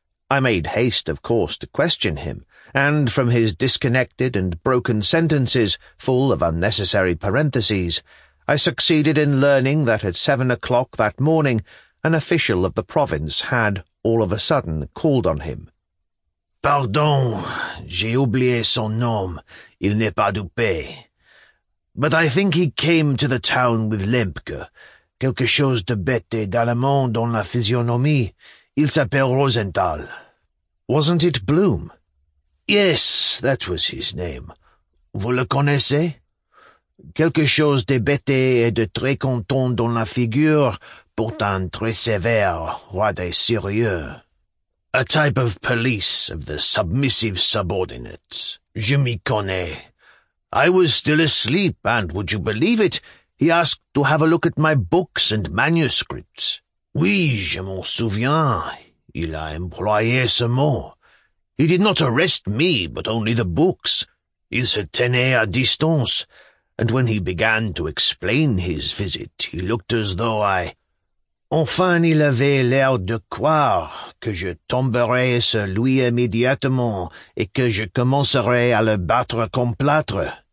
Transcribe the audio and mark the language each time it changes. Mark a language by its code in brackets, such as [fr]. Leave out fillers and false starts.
[en] I made haste, of course, to question him, and from his disconnected and broken sentences, full of unnecessary parentheses, I succeeded in learning that at 7 o'clock that morning an official of the province had, all of a sudden, called on him. [fr] "Pardon, j'ai oublié son nom, il n'est pas dupé. [en] But I think he came to the town with Lempke. [fr] Quelque chose de bête d'allemand dans la physionomie. Il s'appelle Rosenthal." [en] "Wasn't it Bloom?" "Yes, that was his name. [fr] Vous le connaissez? Quelque chose de bête et de très content dans la figure, pourtant très sévère, roi des sérieux. [en] A type of police of the submissive subordinates. [fr] Je m'y connais. [en] I was still asleep, and would you believe it, he asked to have a look at my books and manuscripts. [fr] Oui, je m'en souviens. Il a employé ce mot. [en] He did not arrest me, but only the books. [fr] Il se tenait à distance, [en] and when he began to explain his visit, he looked as though I... [fr] Enfin, il avait l'air de croire que je tomberais sur lui immédiatement et que je commencerais à le battre comme plâtre.